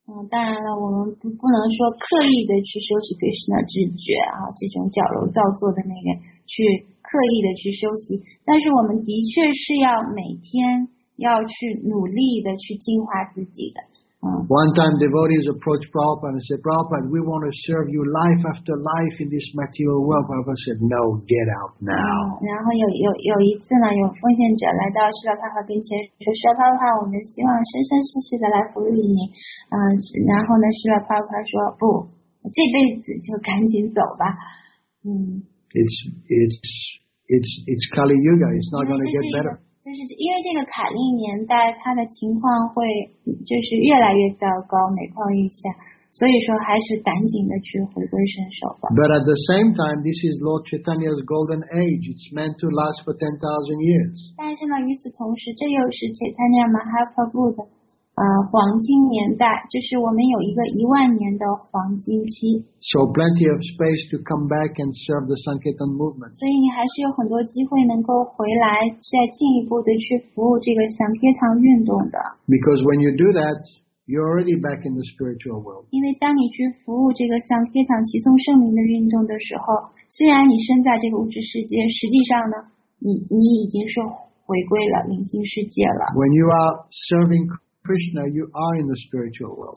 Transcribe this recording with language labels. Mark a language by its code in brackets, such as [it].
[zh] 当然了，我们不能说刻意的去修习 Krishna 知觉啊，这种矫揉造作的那个去刻意的去修习，但是我们的确是要每天要去努力的去净化自己的。 [en] One time devotees approached Prabhupada and said, Prabhupada, we want to serve you life after life in this material world. Prabhupada said, no, get out now. [zh] 然后有一次呢，有奉献者来到释迦牟尼跟前说，释迦牟尼，我们希望生生世世的来服务你。然后呢，释迦牟尼说，不，这辈子就赶紧走吧。 [en] It's Kali Yuga. It's not going to get better. [zh] 就是因为这个卡利年代，它的情况会就是越来越糟糕，每况愈下，所以说还是赶紧的去回归身手吧。 [en] But at the same time, this is Lord Chaitanya's golden age. It's meant to last for 10,000 years. [zh] 但是呢，与此同时，这又是 Chaitanya Mahaprabhu 的黄金年代，就是我们有一个10,000年的黄金期。 [en] So plenty of space to come back and serve the Sankirtan movement. [zh] 所以你还是有很多机会能够回来，再进一步的去服务这个Sankirtan运动的。 [en] Because when you do that, you're already back in the spiritual world. [zh] 因为当你去服务这个Sankirtan齐颂圣名的运动的时候，虽然你身在这个物质世界，实际上呢，你已经是回归了灵性世界了。 [en] When you are servingKrishna, you are in the spiritual world.